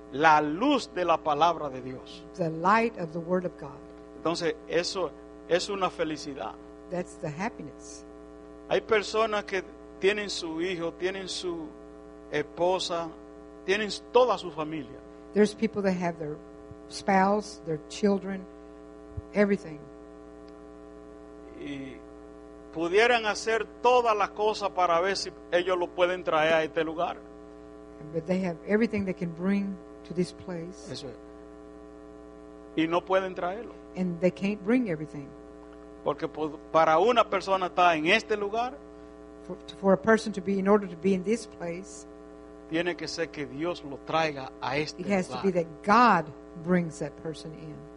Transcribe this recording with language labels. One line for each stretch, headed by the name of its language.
Spanish: La luz de la palabra de Dios.
English: The light of the word of God.
Spanish: Entonces, eso es una felicidad.
English: That's the happiness.
Spanish: Hay personas que tienen su hijo, tienen su esposa, tienen toda su familia.
English: There's people that have their spouse, their children, everything.
Spanish: Y pudieran hacer todas las cosas para ver si ellos lo pueden traer a este lugar.
English: But they have everything they can bring to this place.
Spanish: Eso es. Y no pueden traerlo.
English: And they can't bring everything.
Spanish: Porque para una persona estar en este lugar,
English: for a person to be, in order to be in this place,
Spanish: tiene que ser que Dios lo traiga a este lugar.
English: It has to be that God brings that person in.